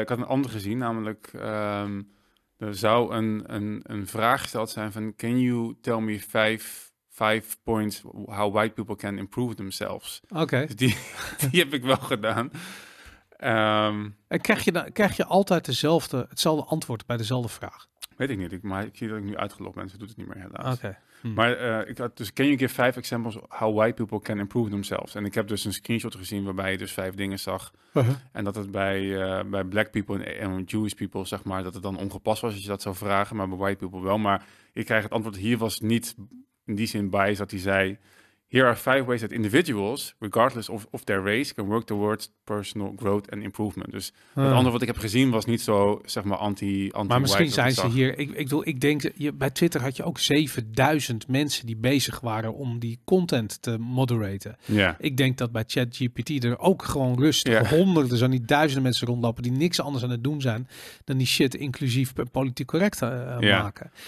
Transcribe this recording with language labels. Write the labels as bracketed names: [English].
[Dutch] Ik had een andere gezien, namelijk er zou een vraag gesteld zijn van [English] can you tell me five points how white people can improve themselves. Okay. [Dutch] Dus die heb ik wel gedaan. En krijg je altijd hetzelfde antwoord bij dezelfde vraag? Weet ik niet, maar ik zie dat ik nu uitgelopen ben. Ze doet het niet meer helaas. [English] Okay. Maar can you give five examples how white people can improve themselves? [Dutch] En ik heb dus een screenshot gezien waarbij je dus vijf dingen zag. Uh-huh. En dat het bij black people en Jewish people, zeg maar, dat het dan ongepast was als je dat zou vragen, maar bij white people wel. Maar ik krijg het antwoord, hier was niet... in die zin bias dat hij zei, [English] Here are five ways that individuals, regardless of their race, can work towards personal growth and improvement. [Dutch] Dus het andere wat ik heb gezien was niet zo, zeg maar, anti-white. Maar misschien zijn ze hier, ik denk, bij Twitter had je ook 7000 mensen die bezig waren om die content te moderaten. [English] Yeah. [Dutch] Ik denk dat bij ChatGPT er ook gewoon rustig honderden, zo niet duizenden mensen rondlopen die niks anders aan het doen zijn dan die shit inclusief politiek correct maken.